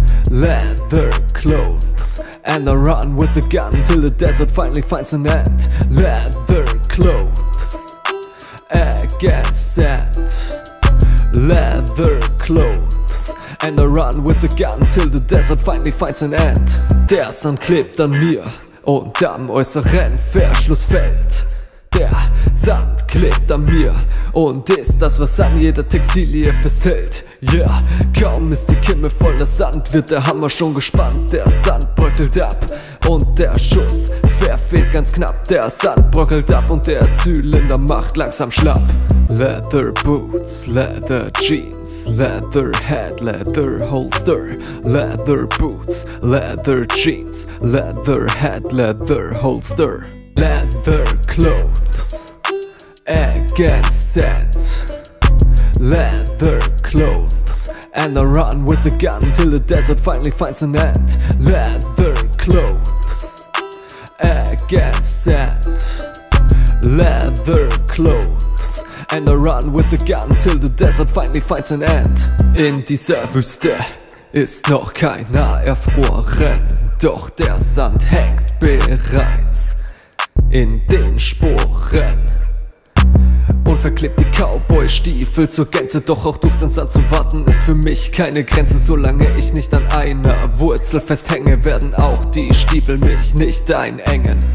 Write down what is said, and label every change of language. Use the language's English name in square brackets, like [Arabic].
[English] Leather clothes, and I run with a gun till the desert finally finds an end. Leather clothes, get set. Leather clothes, and I run with a gun till the desert finally finds an end. [German] Der Sand klebt an mir und am äußeren Verschluss fällt. Der Sand klebt an mir und ist das, was an jeder Textilie festhält. Yeah, kaum ist die Kimme voller Sand, wird der Hammer schon gespannt. Der Sand bröckelt ab und der Schuss verfehlt ganz knapp. Der Sand bröckelt ab und der Zylinder macht langsam schlapp. [English] Leather boots, leather jeans, leather hat, leather holster. Leather boots, leather jeans, leather hat, leather holster. Leather clothes, get set. Leather clothes, and I run with a gun till the desert finally finds an end. Leather clothes, get set. Leather clothes, and I run with a gun till the desert finally finds an end. [German] In dieser Wüste ist noch keiner erfroren, doch der Sand hängt bereits in den Sporen und verklebt die Cowboy-Stiefel zur Gänze. Doch auch durch den Sand zu warten ist für mich keine Grenze. Solange ich nicht an einer Wurzel festhänge, werden auch die Stiefel mich nicht einengen.